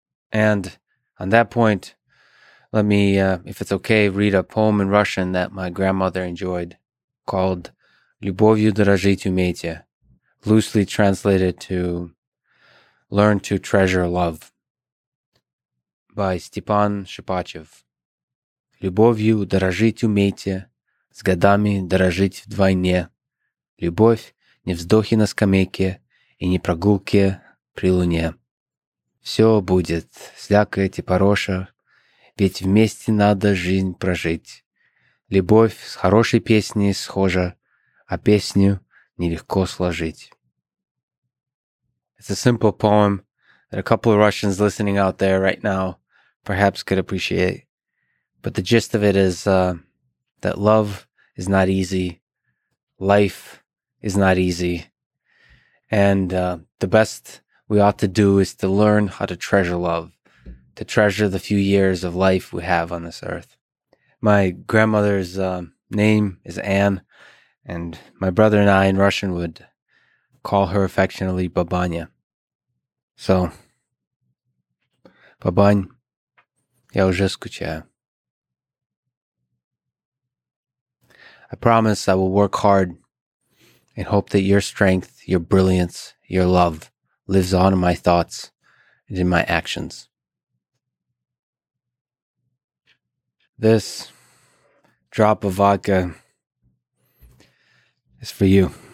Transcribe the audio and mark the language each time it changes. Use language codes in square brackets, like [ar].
[en] And on that point, let me, if it's okay, read a poem in Russian that my grandmother enjoyed called [ru] «Любовью дорожить умейте», [en] loosely translated to «Learn to treasure love» by Stepan Shipachev. [ru] «Любовью дорожить умейте, с годами дорожить вдвойне. Любовь — не вздохи на скамейке и не прогулки при луне. Все будет, слякоть и пороша, ведь вместе надо жизнь прожить. Любовь с хорошей песней схожа, а песню нелегко сложить». [en] It's a simple poem that a couple of Russians listening out there right now perhaps could appreciate. But the gist of it is that love is not easy. Life is not easy. And the best we ought to do is to learn how to treasure love, to treasure the few years of life we have on this earth. My grandmother's name is Anne, and my brother and I in Russian would call her affectionately Babanya. [ru] So, Бабань, я уже скучаю. [en] I promise I will work hard and hope that your strength, your brilliance, your love lives on in my thoughts and in my actions. This drop of vodka is for you.